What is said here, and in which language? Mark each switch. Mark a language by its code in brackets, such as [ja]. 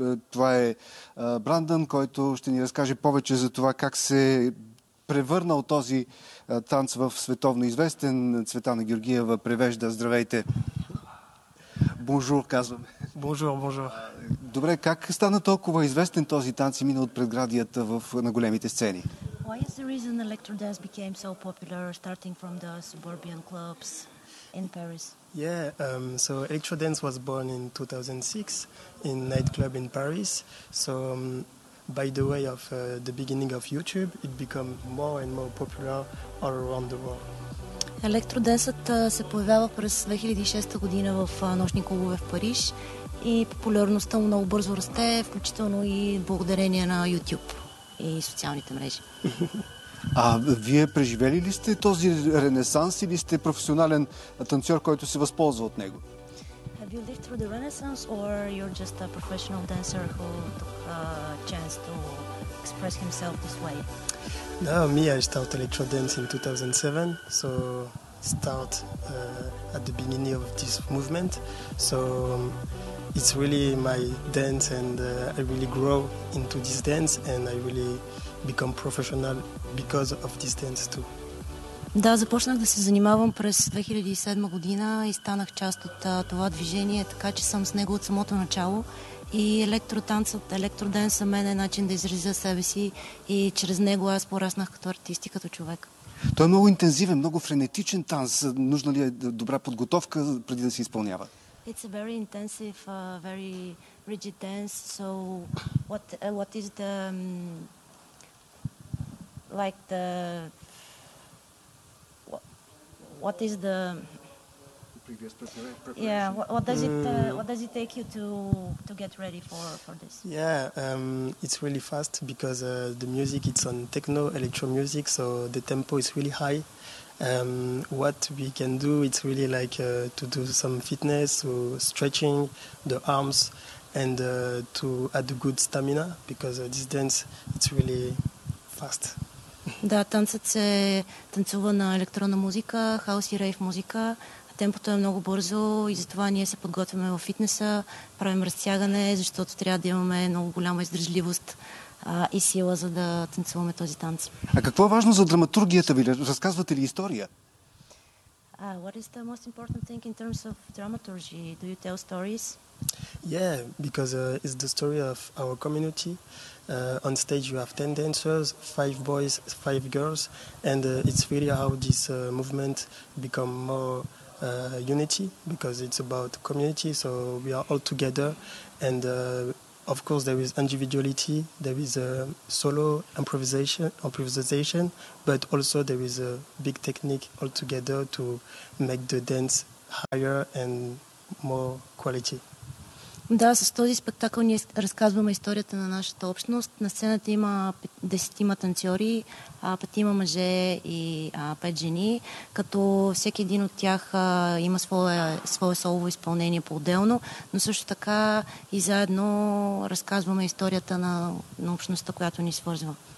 [bg] Това е Брандън, който ще ни разкаже повече за това как се превърнал този танц в световно известен. Цветана Георгиева превежда. Здравейте! Бонжур, казвам. Бонжур, бонжур. Добре, как стана толкова известен този танц и минал от предградията на големите сцени? [en] Why is the reason electrodance became so popular starting from the suburban clubs in Paris? Yeah, so electrodance was born in 2006 in nightclub in Paris. So by the way of the beginning of YouTube, it became more and more popular all around the world. [bg] Електродансът се появява през 2006 година в нощни клубове в Париж и популярността му много бързо расте, включително и благодарение на YouTube и социалните мрежи. А вие преживели ли сте този ренесанс или сте професионален танцор, който се възползва от него? [en] Have you lived through the Renaissance, or you're just a professional dancer who took a chance to express himself this way? No, me, I started electro dance in 2007, so start at the beginning of this movement. So it's really my dance, and I really grow into this dance, and I really become professional because of this dance too. [bg] Да, започнах да се занимавам през 2007 година и станах част от това движение, така че съм с него от самото начало. И електротанцът, електроден за мен е начин да изразя себе си и чрез него аз пораснах като артист и като човек. Той е много интензивен, много френетичен танц. Нужна ли е добра подготовка преди да се изпълнява? [en] It's a very intensive, very rigid dance. So what is the like the what is the previous preparation? Yeah, what does it take you to get ready for this? Yeah, it's really fast because the music, it's on techno electro music, so the tempo is really high. What we can do, it's really like to do some fitness, so stretching the arms, and to add good stamina, because this dance, it's really fast. [bg] Да, танцът се танцува на електронна музика, хаус и рейв музика. Темпото е много бързо и затова ние се подготвяме в фитнеса, правим разтягане, защото трябва да имаме много голяма издръжливост и сила, за да танцуваме този танц. А какво е важно за драматургията ви? Разказвате ли история? [en] What is the most important thing in terms of dramaturgy? Do you tell stories? Yeah, because it's the story of our community. On stage you have 10 dancers, 5 boys, 5 girls, and it's really how this movement become more unity, because it's about community, so we are all together, and of course there is individuality, there is solo improvisation, but also there is a big technique all together to make the dance higher and more quality. [bg] Да, с този спектакъл ние разказваме историята на нашата общност. На сцената има 10 танцьори, 5 мъже и 5 жени, като всеки един от тях има свое солово изпълнение по-отделно, но също така и заедно разказваме историята на общността, която ни свързва.